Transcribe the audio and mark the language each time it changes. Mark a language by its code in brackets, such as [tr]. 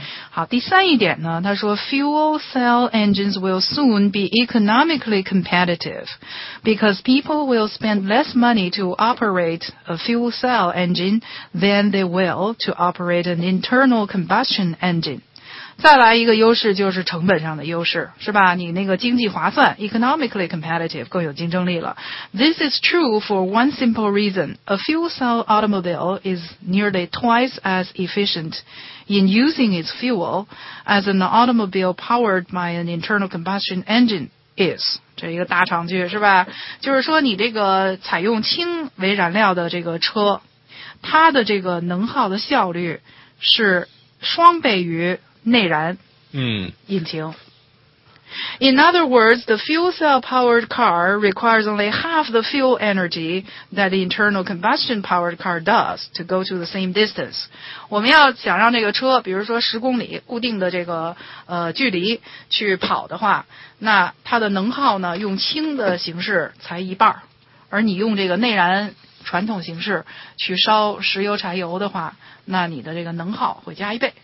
[zh] 好，第三一点呢，他说 [en] fuel cell engines will soon be economically competitive because people will spend less money to operate a fuel cell engine than they will to operate an internal combustion engine。 [zh] 再来一个优势就是成本上的优势，是吧？你那个经济划算 ，economically competitive， 更有竞争力了。 [en] This is true for one simple reason: a fuel cell automobile is nearly twice as efficient in using its fuel as an automobile powered by an internal combustion engine is。 [zh] 这一个大长句是吧？就是说你这个采用氢为燃料的这个车，它的这个能耗的效率是双倍于内燃引擎。 [en] In other words, the fuel cell powered car requires only half the fuel energy that the internal combustion powered car does to go to the same distance. [zh] 我们要想让这个车比如说十公里固定的这个距离去跑的话，那它的能耗呢用氢的形式才一半，而你用这个内燃传统形式去烧石油柴油的话，那你的这个能耗会加一倍。